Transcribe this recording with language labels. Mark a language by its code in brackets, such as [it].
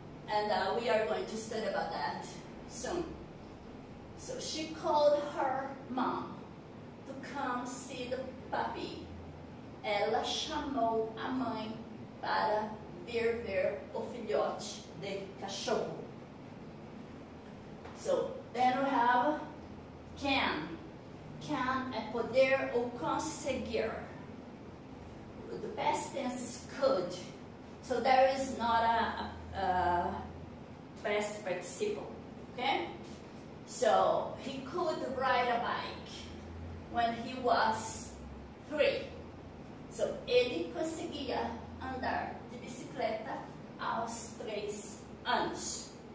[en] And we are going to study about that soon. So she called her mom to come see the puppy. [pt] Ela chamou a mãe para vir ver o filhote de cachorro. [en] So then we have can. Can [pt] é poder ou conseguir. [en] The past tense is could. So there is not a past participle. Okay? So he could ride a bike when he was 3. [pt] So ele conseguia andar de bicicleta aos 3 anos.